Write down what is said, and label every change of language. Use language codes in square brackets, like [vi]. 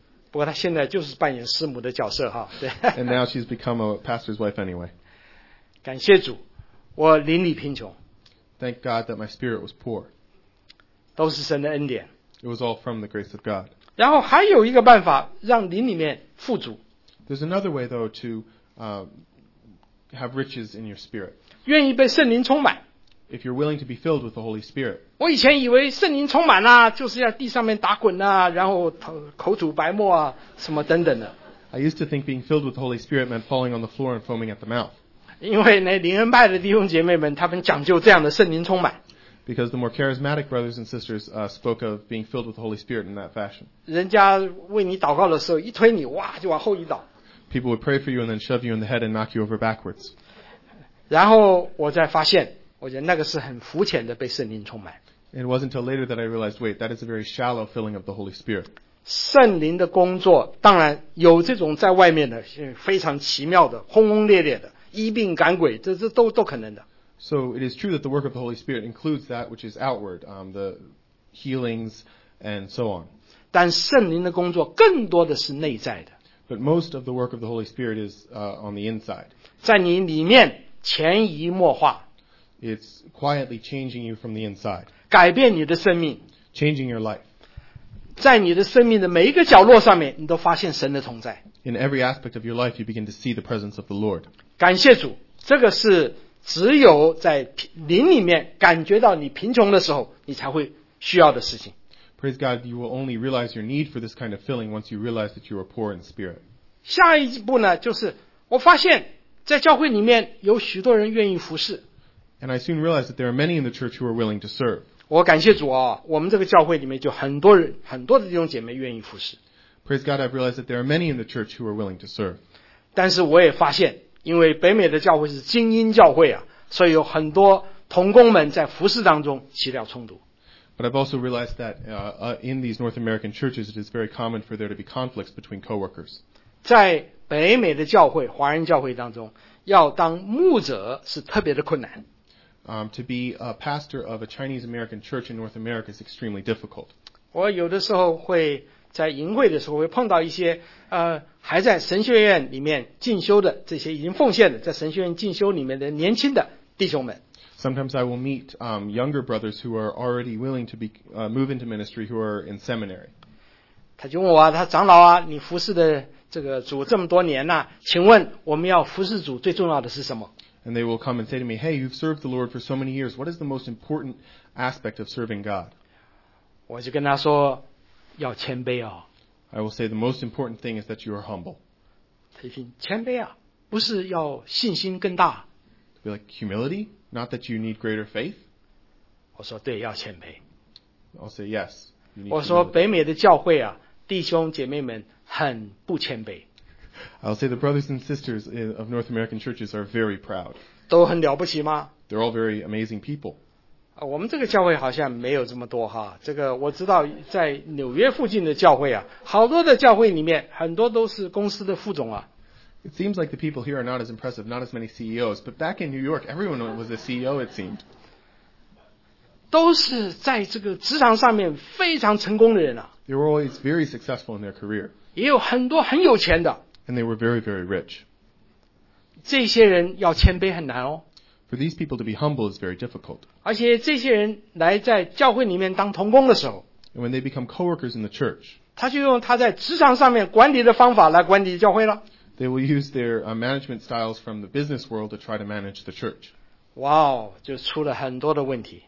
[zh] 不过她现在就是扮演师母的角色哈。 [en] And now she's become a pastor's wife anyway. [zh] 感谢主，我邻里贫穷。 [en] Thank God that my spirit was poor. [zh] 都是神的恩典。 [en] It was all from the grace of God. [zh] 然后还有一个办法让邻里面富足。 [en] There's another way though to have riches in your spirit. [zh] 愿意被圣灵充满。 [en] If you're willing to be filled with the Holy Spirit. [zh] 我以前以为圣灵充满啊，就是要地上面打滚啊，然后口吐白沫啊，什么等等的。 [en] I used to think being filled with the Holy Spirit meant falling on the floor and foaming at the mouth. [zh] 因为呢，灵恩派的弟兄姐妹们，他们讲究这样的圣灵充满。 [en] Because the more charismatic brothers and sisters spoke of being filled with the Holy Spirit in that fashion. [zh] 人家为你祷告的时候，一推你，哇，就往后一倒。 [en] People would pray for you and then shove you in the head and knock you over backwards. [zh] 然后我再发现。我觉得那个是很肤浅的被圣灵充满。 [en] It wasn't until later that I realized, wait, that is a very shallow filling of the Holy Spirit. [zh] 圣灵的工作当然有这种在外面的非常奇妙的轰轰烈烈的医病赶鬼，这都可能的。 [en] So it is true that the work of the Holy Spirit includes that which is outward, the healings and so on. [zh] 但圣灵的工作更多的是内在的。 [en] But most of the work of the Holy Spirit is on the inside. [zh] 在你里面潜移默化。 [en] It's quietly changing you from the inside. [zh] 改变你的生命。 [en] Changing your life. [zh] 在你的生命的每一个角落上面，你都发现神的同在。 [en] In every aspect of your life, you begin to see the presence of the Lord. [zh] 感谢主，这个是只有在灵里面感觉到你贫穷的时候，你才会需要的事情。 [en] Praise God, you will only realize your need for this kind of filling once you realize that you are poor in spirit. [zh] 下一步呢，就是我发现在教会里面有许多人愿意服侍。 [en] And I soon realized that there are many in the church who are willing to serve. [zh] 我感谢主啊，我们这个教会里面就很多人，很多的弟兄姐妹愿意服侍。 [en] Praise God, I've realized that there are many in the church who are willing to serve. [zh] 但是我也发现，因为北美的教会是精英教会啊，所以有很多同工们在服侍当中起了冲突。 [en] But I've also realized that in these North American churches, it is very common for there to be conflicts between co-workers. [zh] 在北美的教会，华人教会当中，要当牧者是特别的困难。 [en] To be a pastor of a Chinese American church in North America is extremely difficult. [zh] 我有的时候会在营会的时候会碰到一些还在神学院里面进修的这些已经奉献的在神学院进修里面的年轻的弟兄们。 [en] Sometimes I will meet younger brothers who are already willing to move into ministry who are in seminary. [zh] 他就问我啊，他长老啊，你服侍的这个主这么多年呐、啊，请问我们要服侍主最重要的是什么？ [en] And they will come and say to me, hey, you've served the Lord for so many years. What is the most important aspect of serving God? [zh] 我就跟他说要谦卑哦。 [en] I will say the most important thing is that you are humble. [zh] 他一听谦卑啊，不是要信心更大。 [en] Be like humility, not that you need greater faith. [zh] 我说对，要谦卑。 [en] I'll say yes. [zh] 我说北美的教会啊，弟兄姐妹们很不谦卑。 [en] I'll say the brothers and sisters of North American churches are very proud. [zh] 都很了不起吗? [en] They're all very amazing people. [zh] 我们这个教会好像没有这么多哈。这个我知道在纽约附近的教会啊，好多的教会里面很多都是公司的副总啊。 [en] It seems like the people here are not as impressive, not as many CEOs, but back in New York, everyone was a CEO, it seemed. [zh] 都是在这个职场上面非常成功的人啊。 [en] They were always very successful in their career. [zh] 也有很多很有钱的。 [en] And they were very, very rich. [zh] 这些人要谦卑很难哦。 [en] For these people to be humble is very difficult. [zh] 而且这些人来在教会里面当同工的时候， [en] And when they become co-workers in the church, [zh] 他就用他在职场上面管理的方法来管理教会了。 [en] They will use their management styles from the business world to try to manage the church. [zh] Wow, 就出了很多的问题。